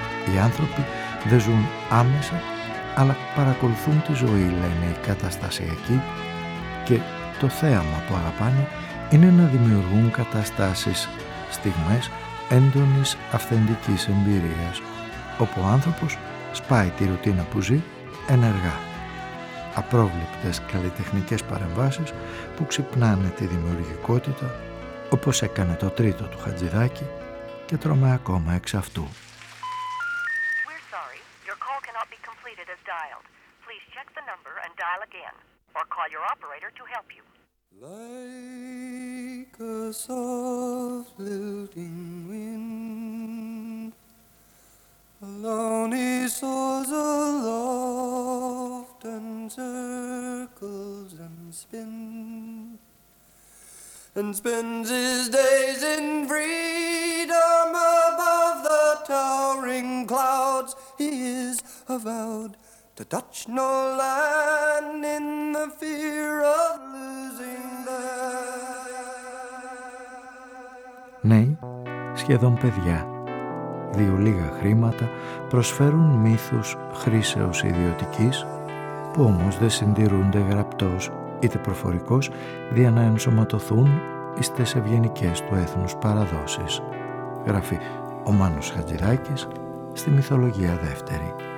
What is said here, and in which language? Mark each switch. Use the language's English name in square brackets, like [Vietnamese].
[Greek] Οι άνθρωποι δεν ζουν άμεσα, αλλά παρακολουθούν τη ζωή, λένε οι καταστασιακοί, και το θέαμα που αγαπάνε είναι να δημιουργούν καταστάσεις, στιγμές έντονης αυθεντικής εμπειρίας, όπου ο άνθρωπος σπάει τη ρουτίνα που ζει ενεργά. Απρόβλεπτες καλλιτεχνικές παρεμβάσεις που ξυπνάνε τη δημιουργικότητα, όπως έκανε το τρίτο του Χατζηδάκη, και τρώμε ακόμα εξ αυτού. [English] We're sorry. Your call cannot be completed as dialed. Please check the number and dial again. Or call your operator to help you. Like a soft lilting wind, alone he soars aloft and circles and spins. And spends his days in freedom above the towering clouds. He is avowed to touch no land in the fear of losing them. [Greek] Ναι, σχεδόν παιδιά. Δύο λίγα χρήματα προσφέρουν μύθους χρήσεως ιδιωτικής, που όμως δεν συντηρούνται γραπτός είτε προφορικός, δια να ενσωματωθούν στις ευγενικές του έθνους παραδόσεις, γράφει ο Μάνος Χατζηδάκης στη Μυθολογία Δεύτερη.